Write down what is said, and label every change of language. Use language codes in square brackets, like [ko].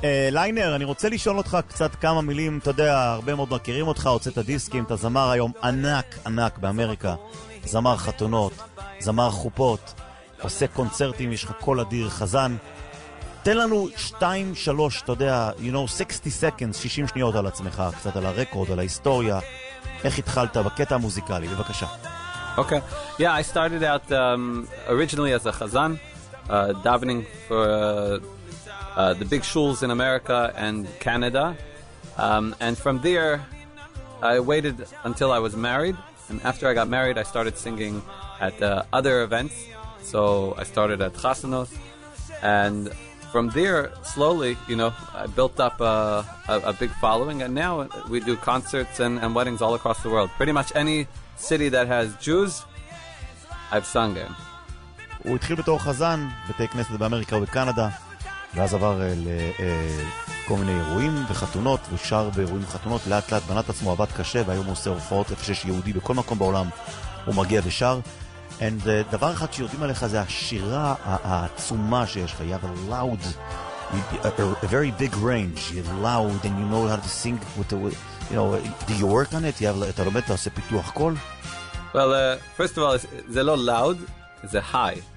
[he] ליינר, אני רוצה לשאול אותך קצת כמה מילים, אתה יודע, הרבה מאוד מכירים אותך, הוצאת דיסקים, אתה זמר היום ענק ענק באמריקה, זמר חתונות, זמר חופות, עושה קונצרטים, יש לך קול אדיר, חזן. תן לנו 2-3, אתה יודע, [en] you know, 60 seconds, [he] 60 שניות על עצמך, קצת על הרקורד, על ההיסטוריה. איך התחלת בקטע המוזיקלי, בבקשה. [en] Okay. Yeah, I started out originally as a chazan, davening for the big shuls in America and Canada. And from there, I waited until I was married. And after I got married, I started singing at other events. So I started at Chasanos. And from there, slowly, you know, I built up a big following. And now we do concerts and weddings all across the world. Pretty much any city that has Jews, I've sung in. [he] הוא התחיל בתור חזן, בתי כנסת באמריקה ובקנדה, ואז עבר לכל מיני אירועים וחתונות, ושר באירועים וחתונות, לאט לאט בנת עצמו עבד קשה, והיום הוא עושה הופעות, איפה שיש יהודי בכל מקום בעולם, הוא מגיע ושר. [en] And [he] דבר אחד שיודעים עליך זה השירה העצומה שיש לך, [en] you have a loud, a very big range, you're loud and you know how to sing with the... You know, do you work on it? You have to learn to do a pituach call? Well, first of all, it's not loud, it's high.